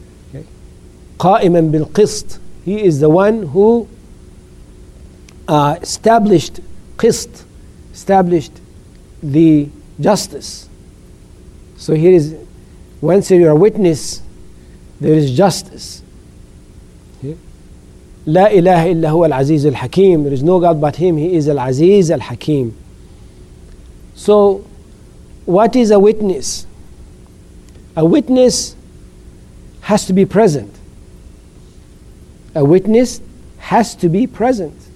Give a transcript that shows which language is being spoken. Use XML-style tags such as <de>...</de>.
<ar>Okay. قَائِمًا بِالْقِسْطِ.</ar> <en>He is the one who established قِسْط, established the justice. So here is, once you are a witness, there is justice.</en> <ar>لا إله إلا هو العزيز الحكيم.</ar> <en>There is no God but Him. He is</en> <ar>العزيز الحكيم.</ar> <en>So what is a witness? A witness has to be present. A witness has to be present.</en>